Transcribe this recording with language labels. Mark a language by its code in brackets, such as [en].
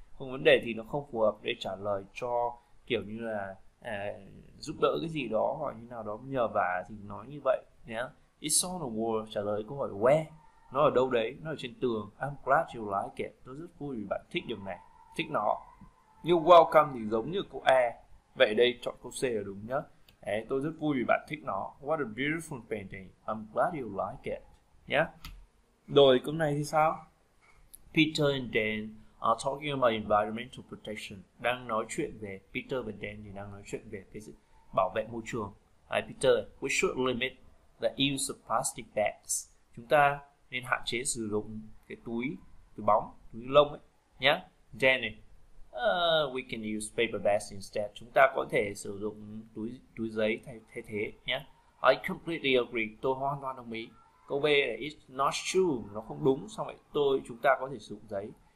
[vi] không vấn đề thì nó không phù hợp để trả lời cho kiểu như là giúp đỡ cái gì đó hoặc như nào đó nhờ vả thì nói như vậy nhé. [en] It's on the wall, [vi] trả lời câu hỏi where, nó ở đâu đấy, nó ở trên tường. [en] I'm glad you like it, [vi] tôi rất vui vì bạn thích điều này, thích nó. Như welcome thì giống như câu A, vậy đây chọn câu C là đúng nhá. Đấy, tôi rất vui vì bạn thích nó. [en] What a beautiful painting, I'm glad you like it nhé. [vi] Rồi câu này thì sao? [en] Peter and Dan are talking about environmental protection. [vi] Đang nói chuyện về Peter và Dan thì đang nói chuyện về cái sự bảo vệ môi trường. [en] Peter, we should limit the use of plastic bags. [vi] Chúng ta nên hạn chế sử dụng cái túi, túi bóng, túi lông ấy nhé. [en] Dan này, we can use paper bags instead. [vi] Chúng ta có thể sử dụng túi túi giấy thay thế nhé. [en] I completely agree. [vi] Tôi hoàn toàn đồng ý. Câu B là [en] it's not true, [vi] nó không đúng. Xong rồi chúng ta có thể sử dụng giấy.